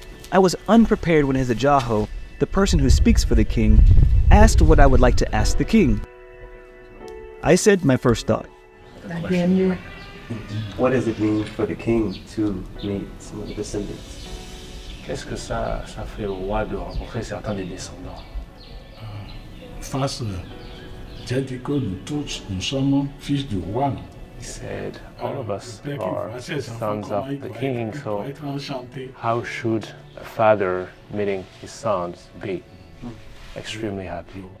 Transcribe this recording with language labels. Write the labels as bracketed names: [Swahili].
[English] I was unprepared when his Ajaho, the person who speaks for the king, asked what I would like to ask the king. I said my first thought. What does it mean for the king to meet some of the descendants? [French] Qu'est-ce que ça fait au roi de rencontrer certains des descendants? [English] He said, all of us are sons of the king, so how should a father meeting his sons be? Extremely happy.